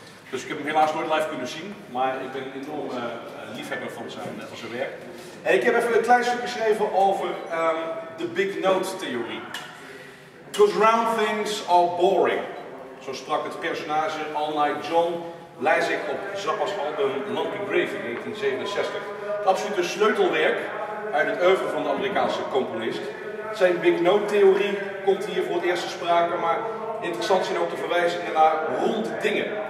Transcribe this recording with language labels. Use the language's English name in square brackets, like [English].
[Dutch] Dus ik heb hem helaas nooit live kunnen zien, maar ik ben een enorm liefhebber van zijn werk. En ik heb even een klein stuk geschreven over de Big Note theorie. [English] Because round things are boring. [Dutch] Zo sprak het personage All Night John Lijzig op Zappa's album Lumpy Gravy in 1967. Het absolute sleutelwerk uit het oeuvre van de Amerikaanse componist. Zijn Big Note theorie komt hier voor het eerst te sprake, maar interessant zijn ook de verwijzingen naar ronde dingen.